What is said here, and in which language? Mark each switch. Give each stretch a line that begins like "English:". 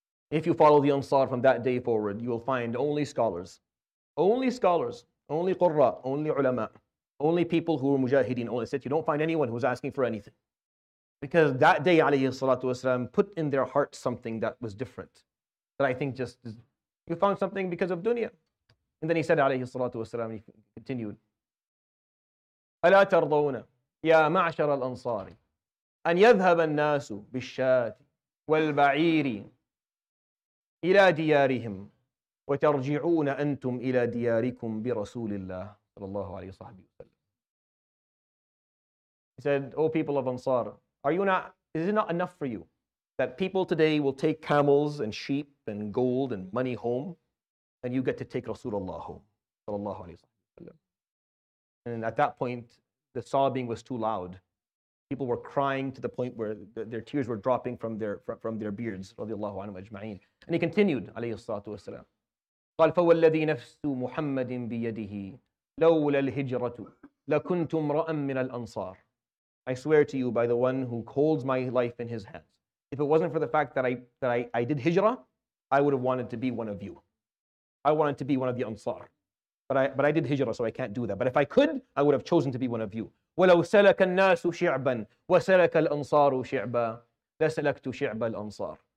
English: If you follow the Ansar from that day forward, you will find only scholars. Only scholars, only qurra, only ulama, only people who were mujahideen, only said, you don't find anyone who was asking for anything. Because that day, alayhi salatu wasalam, put in their hearts something that was different. That I think just, you found something because of dunya. And then he said, alayhi salatu wasalam, he continued,
Arabic: أَلَا تَرْضَوْنَ يَا مَعْشَرَ الْأَنصَارِ أَنْ يَذْهَبَ النَّاسُ بِالشَّاتِ وَالْبَعِيرِ إِلَى دِيَارِهِمْ وَتَرْجِعُونَ أَنْتُمْ إِلَىٰ دِيَارِكُمْ بِرَسُولِ اللَّهِ صَلَى اللَّهُ عَلَيْهِ وَسَلَّمْ.
English: He said, O people of Ansar, is it not enough for you that people today will take camels and sheep and gold and money home, and you get to take Rasulullah home, صَلَى اللَّهُ عَلَيْهِ وَسَلَّمْ. And at that point, the sobbing was too loud. People were crying to the point where their tears were dropping from their beards, radiallahu anhu ajma'in. And he continued,
Arabic: alayhi salatu wasalam, قال فوالذي نفس محمد بيده لولا الهجرة لكنت امرأ من الأنصار.
English: I swear to you by the one who holds my life in his hands, if it wasn't for the fact that I did hijrah, I would have wanted to be one of you. I wanted to be one of the Ansar. But I did hijrah, so I can't do that. But if I could, I would have chosen to be one of you.
Arabic: وَلَوْ سَلَكَ النَّاسُ شِعْبًا وَسَلَكَ الْأَنصَارُ شِعْبًا لَسَلَكْتُ شِعْبَ الْأَنصَارِ.